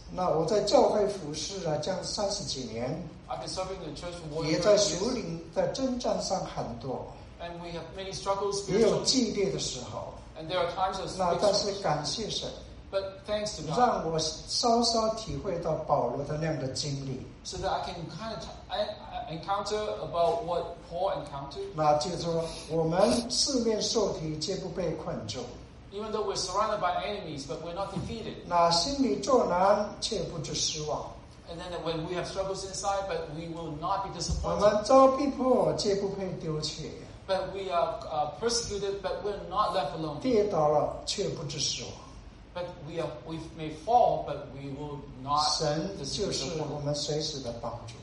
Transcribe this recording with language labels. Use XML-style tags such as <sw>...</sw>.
<zh>那我在教会服事啊将30几年,</zh> <en>I've been serving the church for more than 30 years.</en> <zh>也在属灵的征战上很多,</zh> <en>and we have many struggles spiritually, and there are times of struggles.</en> <zh>那但是感谢神,</zh> <en>but thanks to God,</en> <zh>让我稍稍体会到保罗的那样的经历,</zh> <en>so that I can kind of encounter about what Paul encountered.</en> <zh>那记住我们四面受敌却不被困住,</zh> <en>even though we're surrounded by enemies, but we're not defeated.</en> <zh>那心里作难却不知失望,</zh> <en>and then that when we have struggles inside, but we will not be disappointed.</en> <zh>我们遭逼迫却不被丢弃,</zh> <en>but we are persecuted, but we're not left alone.</en> <zh>跌倒了却不知失望,</zh> <en>but we may fall, but we will not.</en> <zh>神就是我们随时的帮助。</zh>